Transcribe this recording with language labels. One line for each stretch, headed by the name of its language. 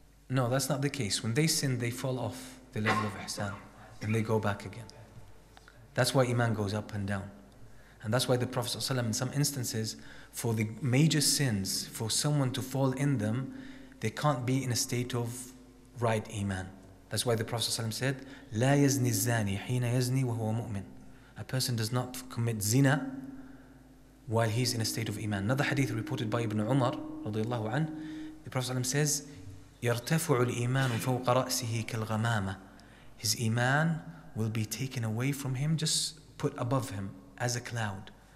English: No, that's not the case. When they sin, they fall off the level of ihsan and they go back again. That's why iman goes up and down. And that's why the Prophet ﷺ, in some instances, for the major sins, for someone to fall in them, they can't be in a state of right iman. That's why the Prophet ﷺ said,
Arabic: لا يزني الزاني حين يزني وهو مؤمن.
English: A person does not commit zina while he's in a state of iman. Another hadith reported by Ibn Umar رضي الله عنه, the Prophet ﷺ says,
Arabic: يرتفع الإيمان فوق رأسه كالغمامة.
English: His iman will be taken away from him, just put above him as a cloud.